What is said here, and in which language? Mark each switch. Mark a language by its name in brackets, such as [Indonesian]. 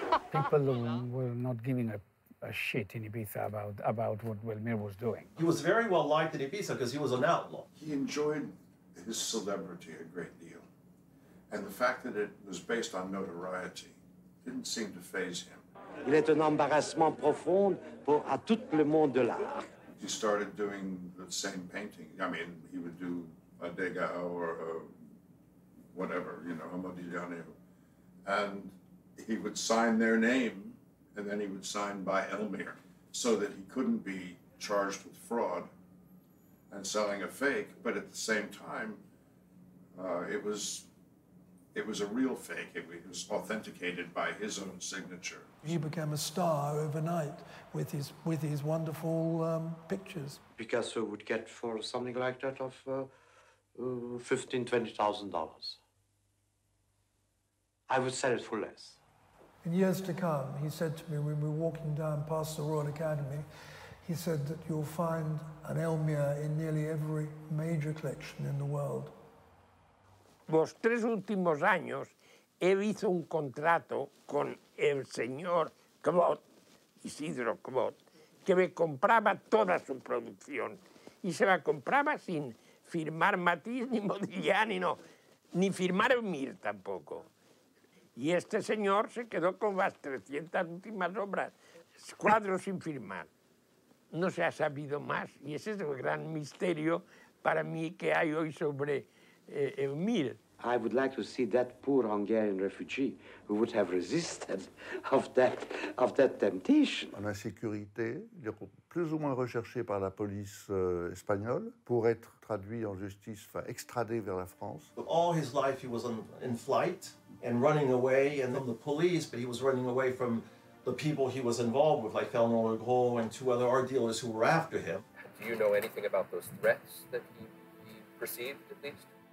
[English] People were not giving a shit in Ibiza about what Elmyr was doing. He was very well liked in Ibiza because he was an outlaw. He enjoyed his celebrity a great deal. And the fact that it was based on notoriety didn't seem to faze him. [French] Il est un embarrassement profond pour à tout le monde de l'art. [English] He started doing the same painting. I mean, he would do a Degas or a whatever, you know, a Modigliani. And he would sign their name, and then he would sign by Elmyr, so that he couldn't be charged with fraud and selling a fake. But at the same time, it was a real fake. It was authenticated by his own signature. He became a star overnight with his wonderful pictures. Picasso would get for something like that of $15,000, $20,000. I would sell it for less. In years to come, he said to me when we were walking down past the Royal Academy, he said that you'll find an Elmyr in nearly every major collection in the world. [Spanish] Los tres últimos años, él hizo un contrato con el señor Clot, Isidro Clot, que me compraba toda su producción. Y se la compraba sin firmar Matisse, ni Modigliani, no, ni firmar Elmyr tampoco. Y este señor se quedó con las 300 últimas obras, cuadros sin firmar. No se ha sabido más. Y ese es el gran misterio para mí que hay hoy sobre Elmyr. [English] I would like to see that poor Hungarian refugee who would have resisted of that temptation. [French] En insécurité, il est plus ou moins recherché par la police espagnole pour être traduit en justice, enfin extradé vers la France. [English] But all his life he was in flight and running away and from the police, but he was running away from the people he was involved with, like Eleanor Le Gros and two other art dealers who were after him. Do you know anything about those threats that he perceived, at least?